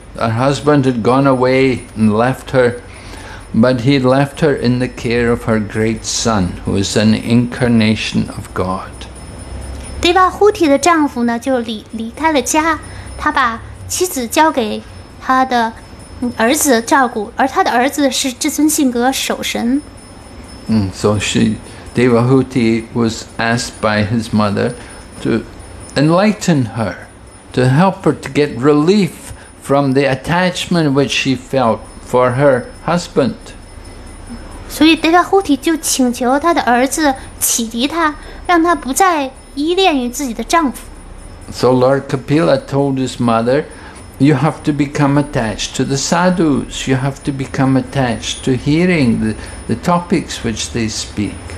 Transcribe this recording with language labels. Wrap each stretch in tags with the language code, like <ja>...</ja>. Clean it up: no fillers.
<en>Her husband had gone away and left her, but he left her in the care of her great son, who is an incarnation of God.</en> <zh>德瓦胡提的丈夫呢，就离开了家，他把妻子交给他的。儿子照顾，而他的儿子是至尊性格守神。</zh> <en>Devahuti was asked by his mother to enlighten her, to help her to get relief from the attachment which she felt for her husband.</en> <zh>所以德瓦胡提就请求他的儿子启迪他，让他不再依恋于自己的丈夫。</zh> <en>So Lord Kapila told his mother, you have to become attached to the sadhus. You have to become attached to hearing the topics which they speak.</en>